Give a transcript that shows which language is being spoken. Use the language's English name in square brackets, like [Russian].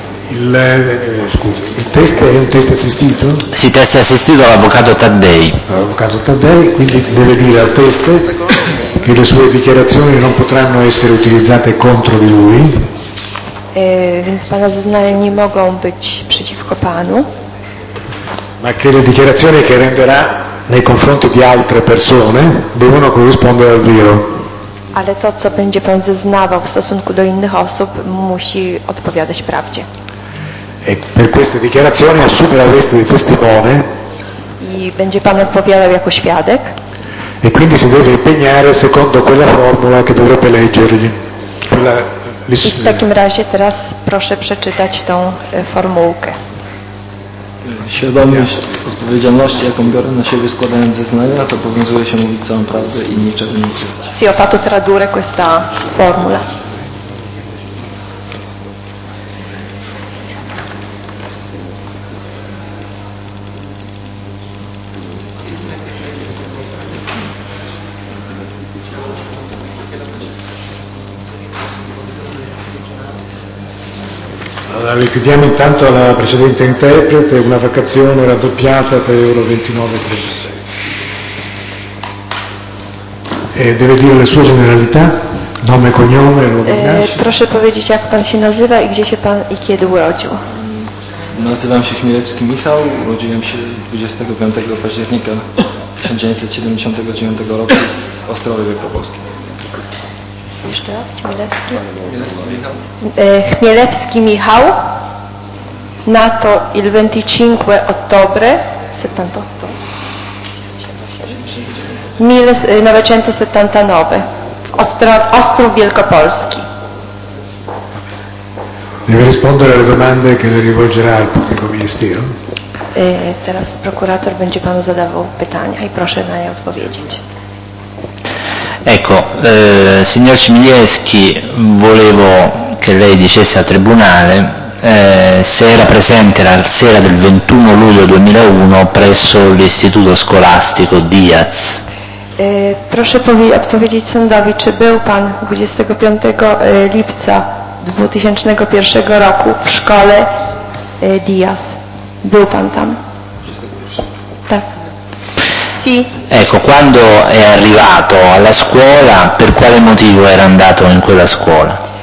[Italian] Il test è un test assistito? Sì, test assistito all'avvocato Taddei. L'avvocato Taddei, quindi deve dire al test che le sue dichiarazioni non potranno essere utilizzate contro di lui. [Polish] Więc pana zeznania nie mogą być przeciwko panu. [Italian] Ma che le dichiarazioni che renderà nei confronti di altre persone devono corrispondere al vero. [Polish] Ale to, co będzie pan zeznawał w stosunku do innych osób, musi odpowiadać prawdzie. [Italian] E per queste dichiarazioni assume la veste di testimone. [Polish] I będzie pan odpowiadał jako świadek. [Italian] E quindi si deve impegnare secondo quella formula che dovrebbe leggergli. Quella... [Polish] I w takim razie teraz proszę przeczytać tą formułkę. Świadomość odpowiedzialności, jaką biorę na siebie składając zeznania, zobowiązuje się mówić całą prawdę i niczego nie ukrywać. [Italian] Si, ho fatto tradurre questa formula. Liquidiamo intanto la precedente interprete, una vacazione raddoppiata per euro 29,36. E deve dire le sue generalità, nome e cognome, luogo di nascita. [Polish] Proszę powiedzieć, jak pan się nazywa i gdzie się pan i kiedy urodził. Nazywam się Chmielewski Michał, urodziłem się 25 października 1979 roku w Ostrowie Wielkopolskim. Jeszcze raz, [Italian] Chmielewski. Chmielewski Michał, nato il 25 ottobre 78, 1979, w Ostrów Wielkopolski. Deve rispondere alle domande che le rivolgerà il pubblico ministero. [Polish] Teraz prokurator będzie panu zadawał pytania i proszę na nie odpowiedzieć. [Italian] Ecco, signor Chmielewski, volevo che lei dicesse al Tribunale se era presente la sera del 21 luglio 2001 presso l'istituto scolastico Diaz. [Polish] Proszę odpowiedzieć sądowi, czy był pan 25 lipca 2001 roku w szkole Diaz. Był pan tam? 21. Tak. [Italian] Sì. Ecco, quando è arrivato alla scuola, per quale motivo era andato in quella scuola?